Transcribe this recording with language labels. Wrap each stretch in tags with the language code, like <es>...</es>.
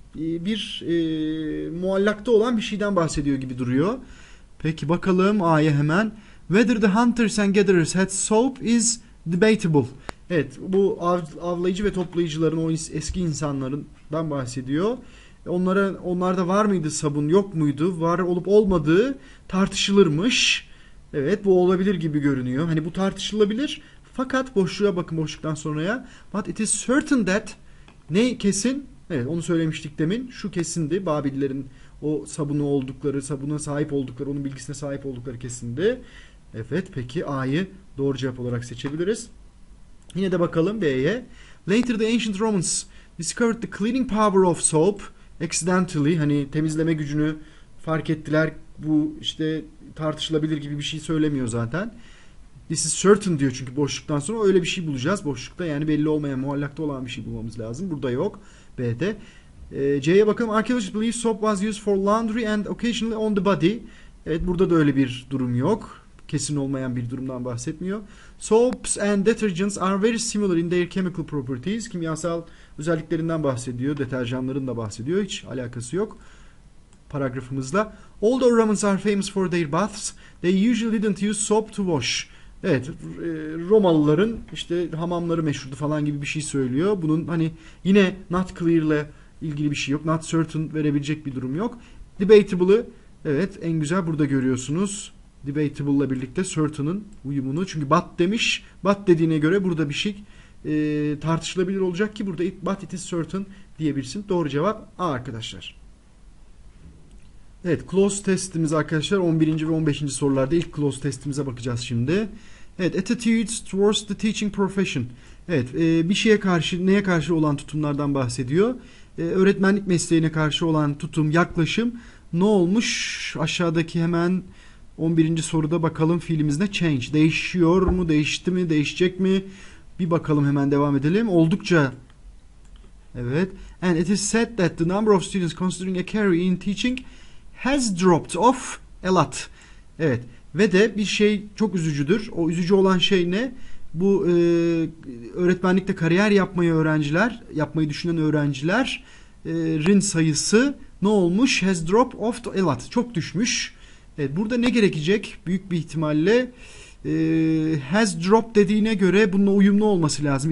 <tr>Bir muallakta olan bir şeyden bahsediyor gibi duruyor. Peki bakalım A'ya hemen.</tr> <en>Whether the hunters and gatherers had soap is debatable.</en> <tr>Evet, bu avlayıcı ve toplayıcıların, o eski insanlardan bahsediyor. Onlarda var mıydı sabun, yok muydu? Var olup olmadığı tartışılırmış. Evet, bu olabilir gibi görünüyor. Hani bu tartışılabilir. Fakat boşluğa bakın, boşluktan sonraya.</tr> <en>But it is certain that,</en> <tr>ne kesin? Evet, onu söylemiştik demin. Şu kesindi. Babillerin o sabunu oldukları, sabuna sahip oldukları, onun bilgisine sahip oldukları kesindi. Evet, peki A'yı doğru cevap olarak seçebiliriz. Yine de bakalım B'ye.</tr> <en>Later the ancient Romans discovered the cleaning power of soap accidentally.</en> <tr>Hani temizleme gücünü fark ettiler. Bu işte tartışılabilir gibi bir şey söylemiyor zaten.</tr> <en>This is certain</en> <tr>diyor, çünkü boşluktan sonra öyle bir şey bulacağız. Boşlukta, yani belli olmayan, muallakta olan bir şey bulmamız lazım. Burada yok. B'de. C'ye bakalım.</tr> <en>Archaeologists believe soap was used for laundry and occasionally on the body.</en> <tr>Evet, burada da öyle bir durum yok. Kesin olmayan bir durumdan bahsetmiyor.</tr> <en>Soaps and detergents are very similar in their chemical properties.</en> <tr>Kimyasal özelliklerinden bahsediyor. Deterjanların da bahsediyor. Hiç alakası yok paragrafımızla.</tr> <en>Although Romans are famous for their baths, they usually didn't use soap to wash.</en> <tr>Evet, Romalıların işte hamamları meşhurdu falan gibi bir şey söylüyor. Bunun hani yine not clear'le ilgili bir şey yok. Not certain verebilecek bir durum yok. Debatable'ı, evet, en güzel burada görüyorsunuz. Debatable'la birlikte certain'ın uyumunu. Çünkü but demiş. But dediğine göre burada bir şey tartışılabilir olacak ki burada</tr> <en>but it is certain</en> <tr>diyebilirsin. Doğru cevap A arkadaşlar. Evet, close testimiz arkadaşlar 11. ve 15. sorularda ilk close testimize bakacağız şimdi. Evet,</tr> <en>attitudes towards the teaching profession.</en> <tr>Evet, bir şeye karşı, neye karşı olan tutumlardan bahsediyor. Öğretmenlik mesleğine karşı olan tutum, yaklaşım ne olmuş? Aşağıdaki hemen 11. soruda bakalım fiilimiz ne? Change. Değişiyor mu? Değişti mi? Değişecek mi? Bir bakalım, hemen devam edelim. Oldukça. Evet.</tr> <en>And it is said that the number of students considering a career in teaching has dropped off a lot.</en> <tr>Evet. Ve de bir şey çok üzücüdür. O üzücü olan şey ne? Bu öğretmenlikte kariyer yapmayı öğrenciler, yapmayı düşünen öğrencilerin sayısı ne olmuş?</tr> <en>Has dropped off a lot.</en> <tr>Çok düşmüş. Evet, burada ne gerekecek? Büyük bir ihtimalle has dropped dediğine göre bununla uyumlu olması lazım.</tr>